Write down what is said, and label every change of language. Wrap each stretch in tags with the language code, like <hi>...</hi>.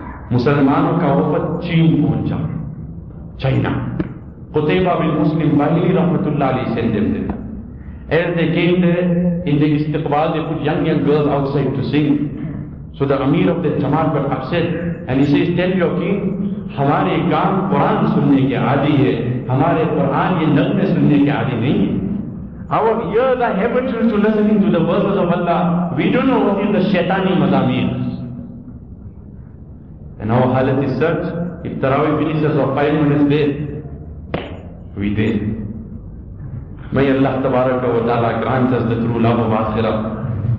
<ur>مسلمانوں کا وفد چین پہنچا, چائنا. قطیبہ بن مسلم بحیلی رحمت اللہ علیہ سے دم دیتا.</ur> <en>As they came there, in the استقبال, they put young girls outside to sing. So the امیر of the جماعت were upset. And he says, tell your king,</en> <ur>ہمارے کان قرآن سننے کے عادی ہے. ہمارے قرآن یہ نغمے سننے کے عادی نہیں ہے.</ur> <en>Our ears are habitual to listening to the verses of Allah. We don't know what is the shaitani مضامین. And our halat is such, if Taraweeh finishes or 5 minutes late, we did. May Allah tabaraka wa ta'ala grant us the true love of Akhirah.</en>